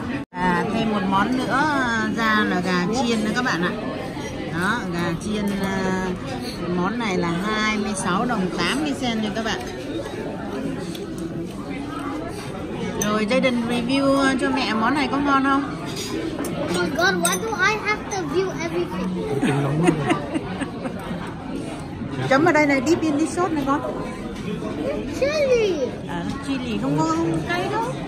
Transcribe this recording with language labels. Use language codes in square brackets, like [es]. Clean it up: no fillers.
[vi] À, thêm một món nữa ra là gà chiên nữa các bạn ạ. Đó, gà chiên món này là 26 đồng 80 sen nha các bạn. Rồi gia đình review cho mẹ món này có ngon không? [en] Oh my god, why do I have to view everything? [vi] Chấm ở đây này, [en] dip in this sauce [vi] này con. [en] Chili. [vi] À, chili không ngon, không cay đâu.